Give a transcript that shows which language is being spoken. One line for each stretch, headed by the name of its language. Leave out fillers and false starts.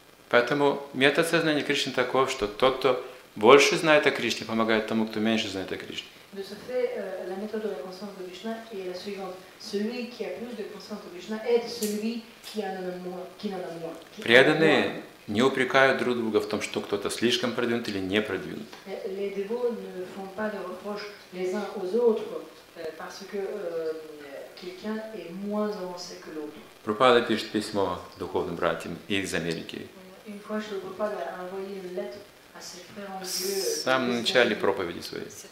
Russian: Поэтому метод сознания Кришны таков, что тот, кто больше знает о Кришне, помогает тому, кто меньше знает о Кришне.
French: De ce fait, la méthode de la conscience de Krishna est la suivante. Celui qui a plus de conscience de Krishna aide celui qui en a moins.
Russian: Преданные не упрекают друг друга в том, что кто-то слишком продвинут или не продвинут.
French: Les dévots ne font pas de reproches les uns aux autres parce que quelqu'un est moins avancé que l'autre.
Russian: Прабхупада пишет письмо духовным братьям из Америки.
French: Une fois, le Prabhupada a envoyé une lettre.
Russian: В самом начале проповеди своей.